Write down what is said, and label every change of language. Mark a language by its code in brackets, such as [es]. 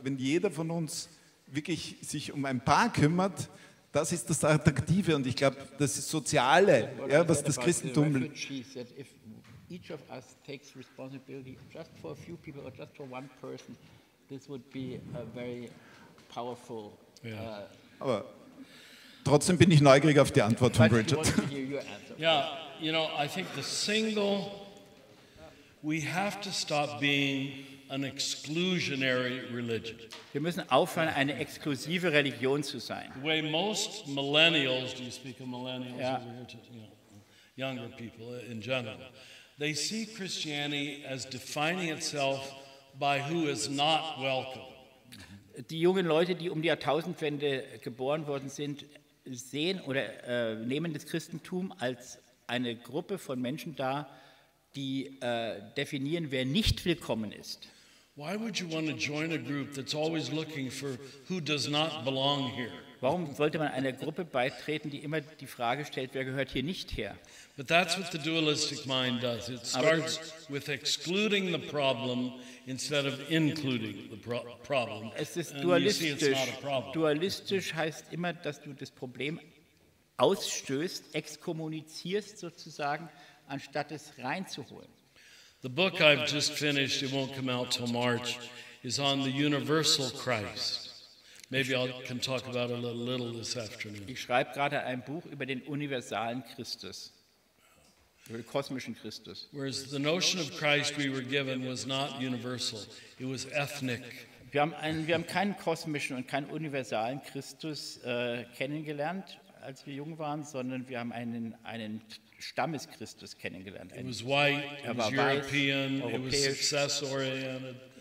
[de] Wenn jeder von uns wirklich sich um ein Paar kümmert, das ist das Attraktive. Und ich glaube, das ist Soziale, ja, was das Christentum... [en] If each of us takes responsibility just for a few people or just for one person, this would be a very powerful... Yeah. [de] Aber trotzdem bin ich neugierig auf die Antwort von Bridget. [en] Yeah, you know, I think the single, we have to stop being an exclusionary religion. [de] Wir müssen aufhören, eine exklusive Religion zu sein. [en] The way most millennials, do you speak of millennials? Yeah. Younger people in general. They see Christianity as defining itself by who is not welcome. [de] Die jungen Leute, die um die Jahrtausendwende geboren worden sind, sehen oder nehmen das Christentum als eine Gruppe von Menschen dar, die definieren, wer nicht willkommen ist. [en] Why would you want to join a group that's always looking for who does not belong here? [de] Warum sollte man einer Gruppe beitreten, die immer die Frage stellt, wer gehört hier nicht her? [en] But that's what the dualistic mind does. It starts with excluding the problem instead of including the problem. [de] Es ist dualistisch. Dualistisch heißt immer, dass du das Problem ausstößt, exkommunizierst sozusagen, anstatt es reinzuholen. [en] The book I've just finished, it won't come out till March, is on the universal Christ. Maybe I can talk about it a little this afternoon. [de] Ich schreibe gerade ein Buch über den universalen Christus, über den kosmischen Christus. [en] Whereas the notion of Christ we were given was not universal, it was ethnic. [de] Wir haben keinen kosmischen und keinen universalen Christus kennengelernt, als wir jung waren, sondern wir haben einen Stammeschristus kennengelernt. [en] It was white, it was European, it was success oriented.